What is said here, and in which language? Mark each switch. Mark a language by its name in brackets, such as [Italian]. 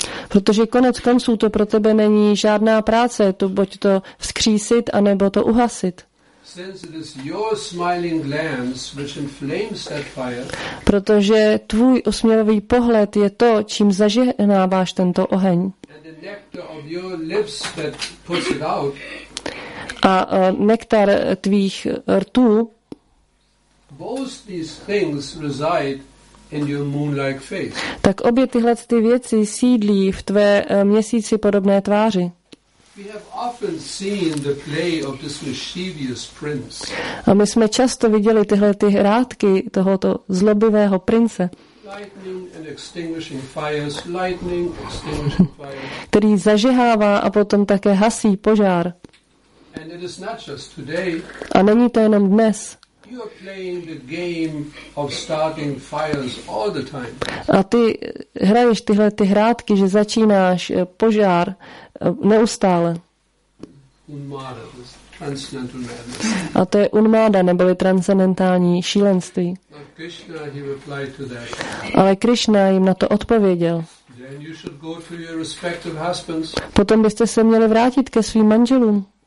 [English] Protože konec konců to pro tebe není žádná práce, to buď to vzkřísit a nebo to uhasit. [Czech] Since it is your smiling glance which inflames that fire. [English] Protože tvůj usměvavý pohled je to, čím zažehnáváš tento oheň. [Czech] And the nectar of your lips that puts it out. [English] A nektar tvých rtů. [Czech] Both these things reside in your moon-like face. [English] Tak obě tyhle ty věci sídlí v tvé měsíci podobné tváři. [Czech] We have often seen the play of this mischievous prince. [English] A my jsme často viděli tyhle ty hrátky tohoto zlobivého prince. [Czech] Lightning and extinguishing fires, lightning, extinguishing fires. [English] Který zažehává a potom také hasí požár. [Czech] And it is not just today. [English] A není to jenom dnes. [Czech] You are playing the game of starting fires all the time. [English] A ty hraješ tyhle ty hrátky, že začínáš požár neustále. [Czech] Unmada, transcendental madness. [English] A to je unmada, neboli transcendentální šílenství. [Czech] Krishna, he replied to that. [English] Ale Krishna jim na to odpověděl. [Czech] Then you should go to your respective husbands. [English] Potom byste se měli vrátit ke svým manželům.